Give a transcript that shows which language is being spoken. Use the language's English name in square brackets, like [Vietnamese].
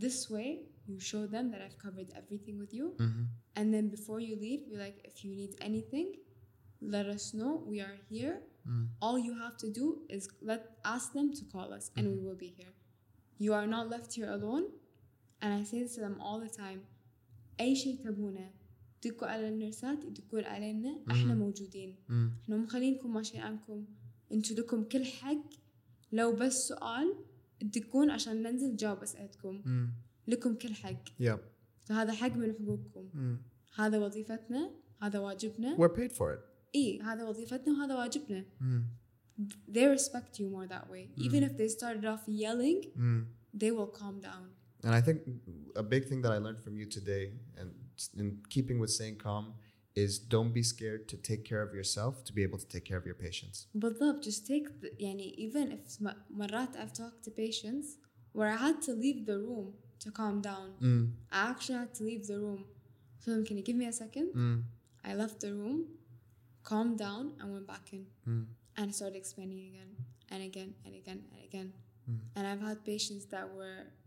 [English] This way, you show them that I've covered everything with you. Mm-hmm. And then before you leave, you're like, if you need anything, let us know. We are here. Mm. All you have to do is ask them to call us and we will be here. You are not left here alone. And I say this to them all the time. [Arabic] أي شيء تبونه تدقوا على النرسات تدقوا علينا احنا موجودين احنا مخلينكم ماشي عنكم انتوا لكم كل حق لو بس سؤال تدقون عشان ننزل جواب اسئلتكم لكم كل حق فهذا حق من حقوقكم هذا وظيفتنا هذا واجبنا [English] we're paid for it [Arabic] إيه هذا وظيفتنا وهذا واجبنا [English] they respect you more that way even if they started off yelling they will calm down and I think a big thing that I learned from you today and in keeping with staying calm is don't be scared to take care of yourself to be able to take care of your patients but love just take the, يعني even if مرات I've talked to patients where I had to leave the room to calm down I actually had to leave the room so can you give me a second I left the room calmed down and went back in and started explaining again and again and again and again and I've had patients that were